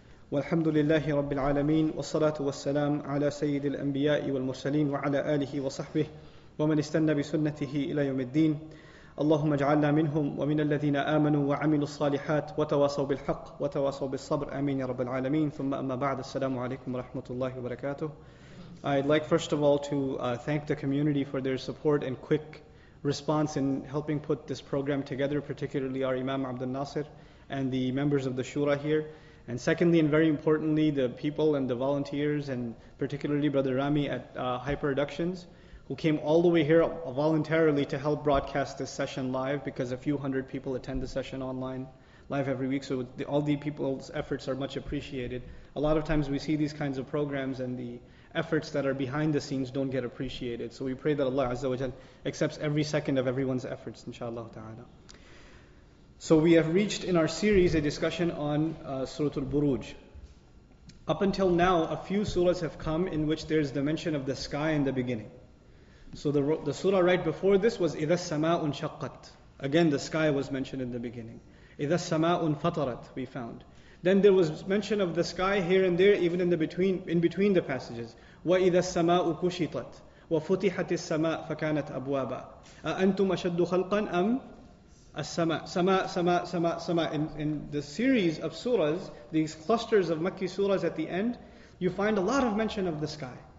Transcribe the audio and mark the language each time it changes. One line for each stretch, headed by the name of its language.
Arabic: والحمد لله رب العالمين والصلاة والسلام على سيد الأنبياء والمرسلين وعلى آله وصحبه ومن استنى بسنته إلى يوم الدين اللهم اجعلنا منهم ومن الذين آمنوا وعملوا الصالحات وتواصوا بالحق وتواصوا بالصبر آمين يا رب العالمين ثم أما بعد السلام عليكم ورحمة الله وبركاته.
English: I'd like first of all to thank the community for their support and quick response in helping put this program together, particularly our Imam Abdul Nasir and the members of the Shura here. And secondly and very importantly, the people and the volunteers and particularly Brother Rami at Hyperproductions, who came all the way here voluntarily to help broadcast this session live, because a few hundred people attend the session online live every week. So all the people's efforts are much appreciated. A lot of times we see these kinds of programs and the efforts that are behind the scenes don't get appreciated. So we pray that Allah Azza wa Jalla accepts every second of everyone's efforts, inshallah ta'ala. So we have reached in our series a discussion on Suratul Buruj. Up until now, a few surahs have come in which there's the mention of the sky in the beginning. So the surah right before this was
Arabic: إِذَا السَّمَاءُ انشَقَّتْ.
English: Again, the sky was mentioned in the beginning.
Arabic: إِذَا السَّمَاءُ انفَطَرَتْ,
English: we found. Then there was mention of the sky here and there, even in between the passages.
Arabic: وَإِذَا السَّمَاءُ كُشِطَتْ وَفُتِحَتِ السَّمَاءُ فَكَانَتْ أَبْوَابًا أَأَنْتُمْ أَشَدُّ خَلْقًا أَمْ السَّمَاءُ سَمَاءُ سَمَاءُ سَمَاءُ سَمَاءُ.
English: In the series of surahs, these clusters of Makki surahs at the end, you find a lot of mention of the sky.